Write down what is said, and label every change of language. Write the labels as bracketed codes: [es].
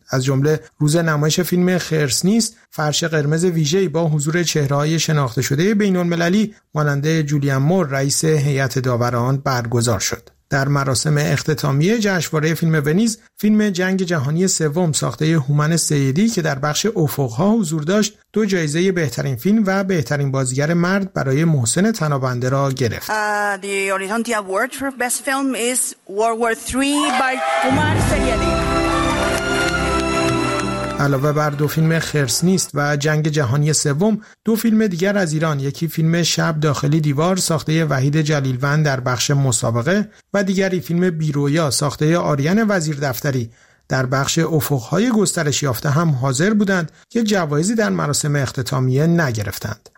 [fa] از جمله روز نمایش فیلم خرس نیست فرش قرمز ویژه‌ای با حضور چهره‌های شناخته شده بین‌المللی مانند جولیان مور رئیس هیئت داوران برگزار شد. در مراسم اختتامیه جشنواره فیلم ونیز، فیلم جنگ جهانی سوم ساخته هومن سیدی که در بخش افق‌ها حضور داشت، 2 جایزه بهترین فیلم و بهترین بازیگر مرد برای محسن تنابنده را گرفت. [en] The Horizonte Award for Best Film is World War 3 by Hooman Seyedi. [fa] علاوه بر 2 فیلم خرس نیست و جنگ جهانی سوم، 2 فیلم دیگر از ایران، یکی فیلم شب داخلی دیوار ساخته وحید جلیلوند در بخش مسابقه و دیگری فیلم بیرویا ساخته آریان وزیر دفتری در بخش افق‌های گسترش یافته هم حاضر بودند که جوایزی در مراسم اختتامیه نگرفتند.